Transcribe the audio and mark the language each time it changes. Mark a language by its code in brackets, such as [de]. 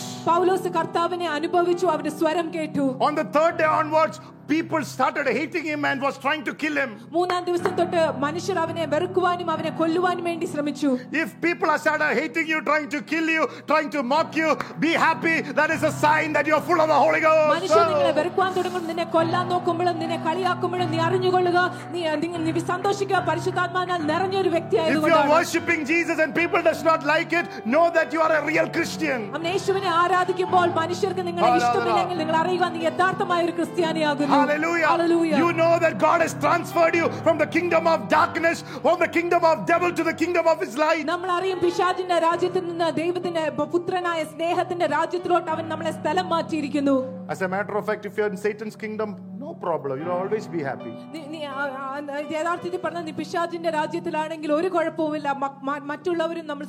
[ml] പൗലോസ് കർത്താവിനെ അനുഭവിച്ചു, അവന്റെ സ്വരം കേട്ടു. [en] On the third day onwards, people started hating him and was trying to kill him. [ml] മൂന്നാം ദിവസം തൊട്ട് മനുഷ്യർ അവനെ വെറുക്കുവാനും അവനെ കൊല്ലുവാനും വേണ്ടി ശ്രമിച്ചു. [en] If people are started hating you, trying to kill you, trying to mock you, be happy. That is a sign that you are full of the Holy Ghost. [ml] മനുഷ്യർ നിന്നെ വെറുക്കാൻ തുടങ്ങുമ്പോൾ, നിന്നെ കൊല്ലാൻ നോക്കുമ്പോൾ, നിന്നെ കളിയാക്കുമ്പോൾ നീ അറിഞ്ഞുകൊള്ളുക, നീ സന്തോഷിക്കുക, പരിശുദ്ധാത്മാവിനാൽ നിറഞ്ഞ ഒരു വ്യക്തിയായതുകൊണ്ട്. [en] If you are worshiping Jesus and people does not like it, know that you are a real Christian. [ml] അവൻ യേശുവിനെ ആരാധിക്കുമ്പോൾ മനുഷ്യർക്ക് നിങ്ങളെ ഇഷ്ടമില്ലെങ്കിൽ നിങ്ങൾ അറിയുക, നീ യഥാർത്ഥമായ ഒരു ക്രിസ്ത്യാനിയാണ്. [en] Hallelujah. Hallelujah. You know that God has transferred you from the kingdom of darkness, from the kingdom of devil, to the kingdom of his light. [ml] നമ്മളെ അറിയും, പിശാചിന്റെ രാജ്യത്തിൽ നിന്ന് ദൈവത്തിന്റെ പുത്രനായ സ്നേഹത്തിന്റെ രാജ്യത്തിലോട്ട് അവൻ നമ്മളെ സ്ഥലം മാറ്റിയിരിക്കുന്നു. [en] As a matter of fact, if you are in Satan's kingdom, no problem, you'll always be happy. [ml] യഥാർത്ഥത്തിൽ പറഞ്ഞാൽ നീ പിശാചിന്റെ രാജ്യത്തിലാണെങ്കിൽ ഒരു കുഴപ്പവുമില്ല, മറ്റുള്ളവരും നമ്മൾ